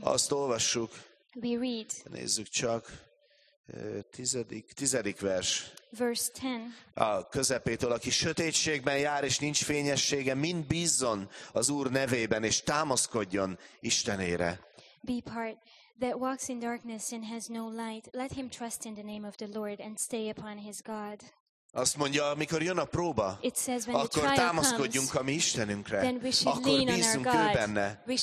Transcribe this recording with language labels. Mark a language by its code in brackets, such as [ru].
[hu] Azt olvassuk. [en] We read. [hu] Nézzük csak. Tizedik vers. [en] Verse 10. [hu] A közepétől, aki sötétségben jár, és nincs fényessége, mind bízzon az Úr nevében, és támaszkodjon Istenére. [en] B part. That walks in darkness and has no light, let him trust in the name of the Lord and stay upon his God. [hu] Azt mondja, amikor jön a próba, akkor támaszkodjunk [en] comes, [hu] a mi Istenünkre, akkor bízzunk ő benne.